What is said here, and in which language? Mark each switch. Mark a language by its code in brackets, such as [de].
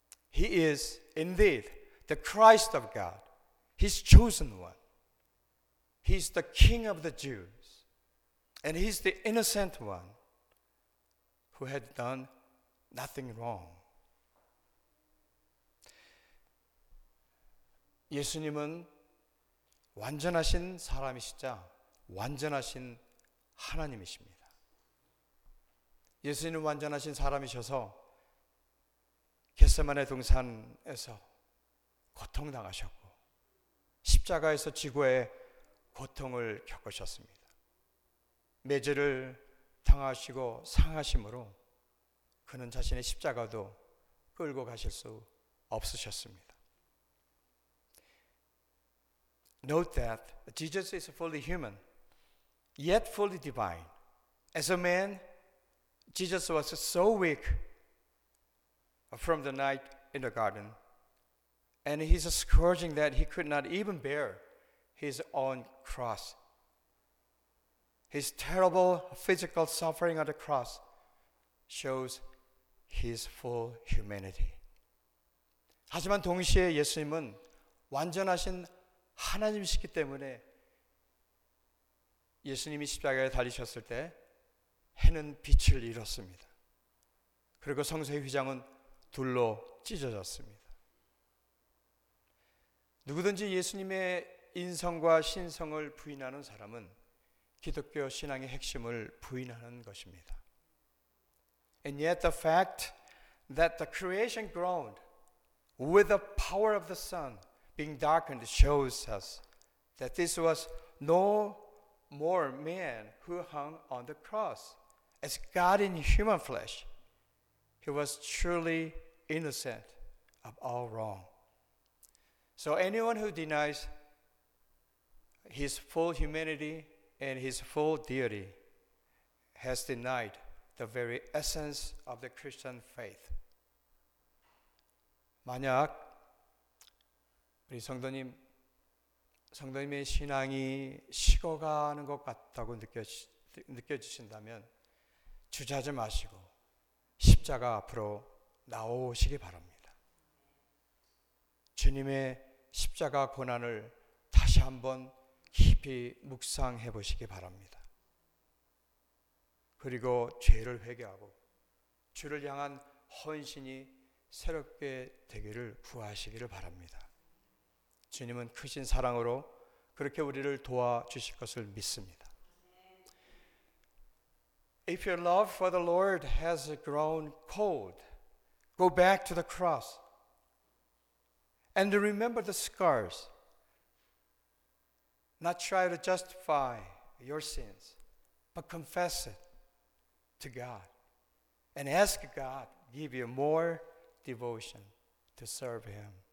[en] He is indeed the Christ of God, his chosen one. He's the king of the Jews, and he's the innocent one who had done nothing wrong. [ko] 예수님은 완전하신 사람이시자 완전하신 하나님이십니다. 예수님은 완전하신 사람이셔서 겟세마네 동산에서 고통당하셨고 십자가에서 지고에 고통을 겪으셨습니다. 매질을 당하시고 상하심으로 그는 자신의 십자가도 끌고 가실 수 없으셨습니다. [en] Note that Jesus is fully human, yet fully divine. As a man, Jesus was so weak from the night in the garden, and he's a scourging that he could not even bear his own cross. His terrible physical suffering on the cross shows his full humanity. [ko] 하지만 동시에 예수님은 완전하신 하나님이시기 때문에 예수님이 십자가에 달리셨을 때 해는 빛을 잃었습니다. 그리고 성소의 휘장은 둘로 찢어졌습니다. 누구든지 예수님의 인성과 신성을 부인하는 사람은 기독교 신앙의 핵심을 부인하는 것입니다. [en] And yet the fact that the creation groaned with the power of the sun being darkened shows us that this was no more man who hung on the cross. As God in human flesh, he was truly innocent of all wrong. So anyone who denies his full humanity and his full deity has denied the very essence of the Christian faith. [ko] 만약 우리 성도님, 성도님의 신앙이 식어가는 것 같다고 느껴지신다면 주저하지 마시고 십자가 앞으로 나오시기 바랍니다. 주님의 십자가 고난을 다시 한번 깊이 묵상해 보시기 바랍니다. 그리고 죄를 회개하고 주를 향한 헌신이 새롭게 되기를 구하시기를 바랍니다. 주님은 크신 사랑으로 그렇게 우리를 도와주실 것을 믿습니다. [en] If your love for the Lord has grown cold, go back to the cross and remember the scars. Not try to justify your sins, but confess it to God and ask God to give you more devotion to serve Him.